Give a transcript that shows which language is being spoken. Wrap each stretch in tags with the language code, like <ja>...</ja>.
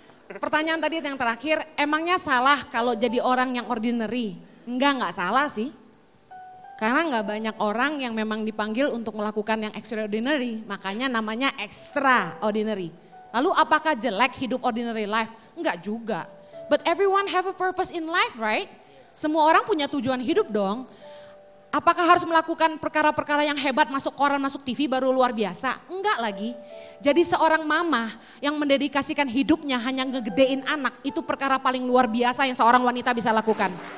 <id>Pertanyaan tadi yang terakhir, emangnya salah kalau jadi orang yang ordinary? Enggak salah sih. Karena enggak banyak orang yang memang dipanggil untuk melakukan yang extraordinary, makanya namanya extraordinary. Lalu apakah jelek hidup ordinary life? Enggak juga.</id> <en>But everyone have a purpose in life, right?</en> <id>Semua orang punya tujuan hidup dong. Apakah harus melakukan perkara-perkara yang hebat, masuk koran, masuk TV baru luar biasa? Enggak lagi. Jadi seorang mama yang mendedikasikan hidupnya hanya ngegedein anak, itu perkara paling luar biasa yang seorang wanita bisa lakukan.</id>